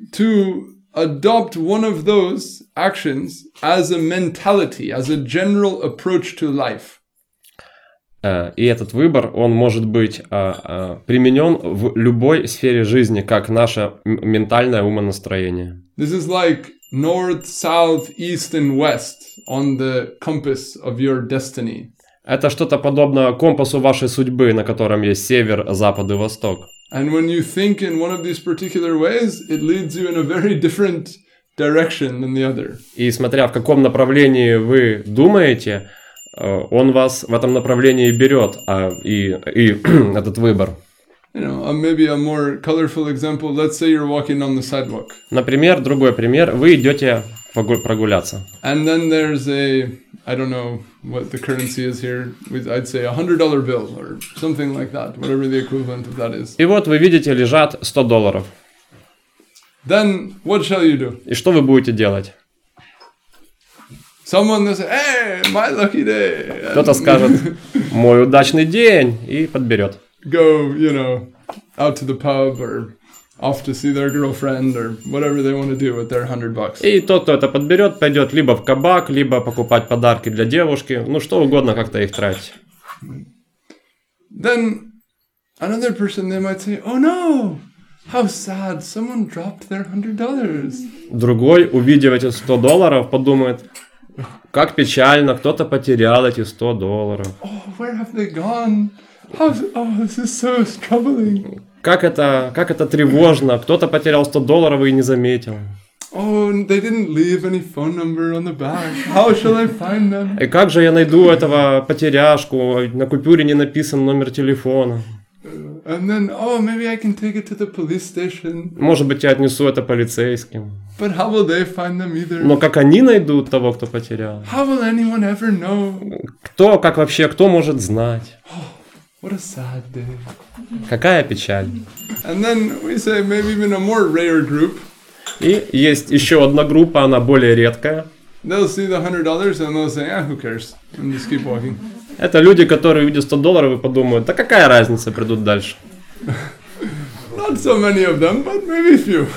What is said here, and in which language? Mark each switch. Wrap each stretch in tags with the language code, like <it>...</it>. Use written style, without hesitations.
<en>To adopt one of those actions as a mentality, as a general approach to life.</en> <ru>И этот выбор, он может быть применен в любой сфере жизни, как наше ментальное умонастроение.</ru> <en>This is like north, south, east and west on the compass of your destiny.</en> <ru>Это что-то подобное компасу вашей судьбы, на котором есть север, запад и восток.</ru> <en>And when you think in one of these particular ways, it leads you in a very different direction than the other.</en> <ru>И смотря в каком направлении вы думаете, он вас в этом направлении берет, и этот выбор.</ru> <en>You know, maybe a more colorful example. Let's say you're walking on the sidewalk.</en> <ru>Например, другой пример. Вы идете прогуляться.</ru> <en>And then there's a, I don't know what the currency is here. I'd say $100 bill or something like that. Whatever the equivalent of that is.</en> <ru>И вот вы видите, лежат $100.</ru> <en>Then what shall you do?</en> <ru>И что вы будете делать?</ru> <en>Someone will say, hey, my lucky day.</en> <ru>Кто-то скажет, мой удачный день, и подберет.</ru> <en>Go, you know, out to the pub or off to see their girlfriend or whatever they want to do with their $100.</en> <ru>И тот, кто это подберет, пойдет либо в кабак, либо покупать подарки для девушки, ну что угодно, как-то их тратить.</ru> <en>Then another person, they might say, oh no. How sad, someone dropped their $100.</en> <ru>Другой, увидев эти $100, подумает, как печально, кто-то потерял эти $100.</ru> <en>Oh, where have they gone? How, oh, this is so troubling.</en> <ru>Как это тревожно, кто-то потерял $100 и не заметил.</ru> <en>Oh, they didn't leave any phone number on the back. How shall I find them?</en> <ru>И как же я найду этого потеряшку, на купюре не написан номер телефона.</ru> <en>And then, oh, maybe I can take it to the police station.</en> <ru>Может быть, я отнесу это полицейским.</ru> <en>But how will they find them either?</en> <ru>Но как они найдут того, кто потерял?</ru> <en>How will anyone ever know?</en> <ru>Кто, как вообще, кто может знать?</ru> <en>Oh, what a sad day.</en> <ru>Какая печаль.</ru> <en>And then we say maybe even a more rare group.</en> <ru>И есть еще одна группа, она более редкая.</ru> <en>They'll see the $100 and they'll say, yeah, who cares? And just keep walking.</en> <ru>Это люди, которые увидят $100 и подумают, да какая разница, придут дальше.</ru> <en>Not so many of them, but maybe few.</en>